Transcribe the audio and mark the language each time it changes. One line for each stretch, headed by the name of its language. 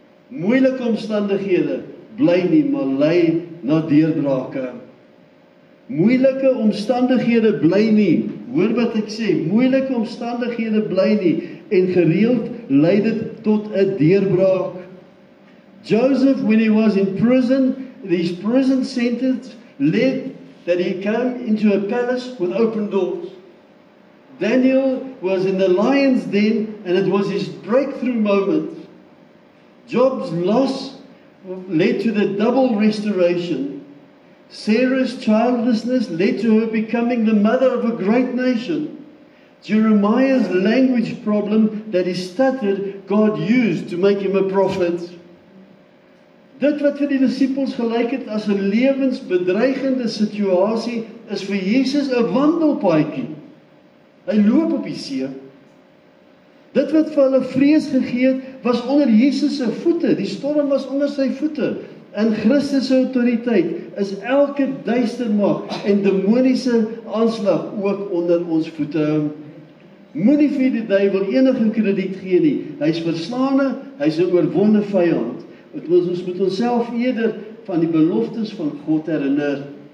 Afrikaans: Moeilike omstandighede bly nie, maar lei na deurbrake. Moeilike omstandighede bly nie, hoor wat ek sê, moeilike omstandighede bly nie en gereeld lei dit tot 'n deurbraak.
English: Joseph, when he was in prison, his prison sentence led that he came into a palace with open doors. Daniel was in the lion's den and it was his breakthrough moment. Job's loss led to the double restoration. Sarah's childlessness led to her becoming the mother of a great nation. Jeremiah's language problem that he stuttered, God used to make him a prophet.
Afrikaans: Dit wat vir die disippels gelyk het as 'n lewensbedreigende situasie, is vir Jesus 'n wandelpaadjie. Hy loop op die see. Dit wat vir hulle vrees gegee het, was onder Jesus se voete. Die storm was onder sy voete. In Christus se autoriteit is elke duisternis en demoniese aanslag ook onder ons voete. Moenie vir die duiwel enige krediet gee nie. Hy is verslaane, hy is 'n oorwonne vyand. Het ons moet onself eerder van die beloftes van God herinner.